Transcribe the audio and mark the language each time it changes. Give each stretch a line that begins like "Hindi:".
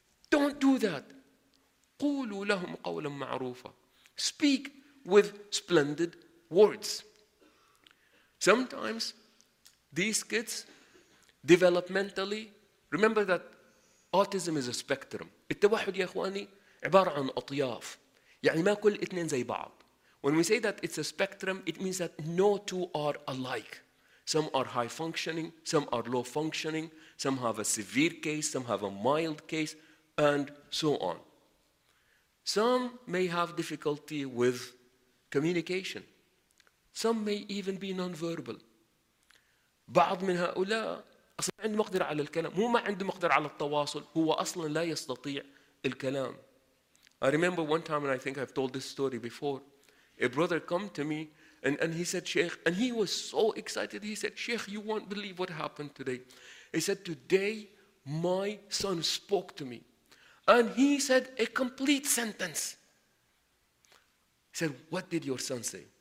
English: Don't do that.
Arabic: قولوا لهم قولا معروفا.
English: Speak with splendid words. Sometimes these kids developmentally, remember that autism is a spectrum.
Arabic: التوحد يا اخواني عبارة عن اطياف. يعني ما كل اثنين زي بعض.
English: When we say that it's a spectrum, it means that no two are alike. Some are high functioning, some are low functioning, some have a severe case, some have a mild case, and so on. Some may have difficulty with communication. Some may even be non-verbal.
Arabic: بعض من هؤلاء أصلاً عنده مقدرة على الكلام، مو ما عنده مقدرة على التواصل، هو أصلاً لا يستطيع الكلام.
English: I remember one time, and I think I've told this story before, a brother come to me, and he said, Sheikh, and he was so excited, he said, Sheikh, you won't believe what happened today. He said, today, my son spoke to me. And he said a complete sentence. He said, what did your son say?